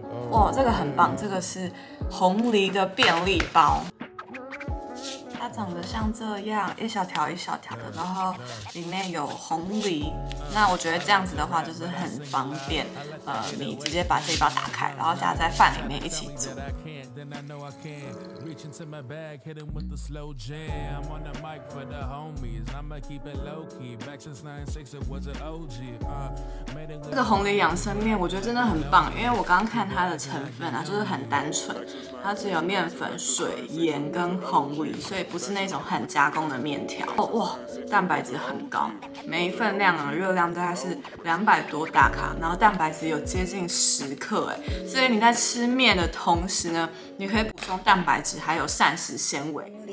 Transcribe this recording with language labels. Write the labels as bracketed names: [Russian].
[Chinese] 哇，这个很棒，这个是红梨的便利包。它长得像这样，一小条一小条的，然后里面有红梨。那我觉得这样子的话就是很方便，你直接把这一包打开，然后加在饭里面一起煮。 [English] Then I know I can reach into my bag, hitting with the slow jam. On the mic for the homies, I'ma keep it low key. Back since 96, it was an OG. [Chinese] 这个红梨养生面我觉得真的很棒，因为我刚刚看它的成分啊，就是很单纯，它只有面粉、水、盐跟红梨，所以不是那种很加工的面条。哦哇，蛋白质很高，每一份量的热量大概是200多大卡，然后蛋白质有接近10克，哎，所以你在吃面的同时呢，你可以补充蛋白质，还有膳食纤维。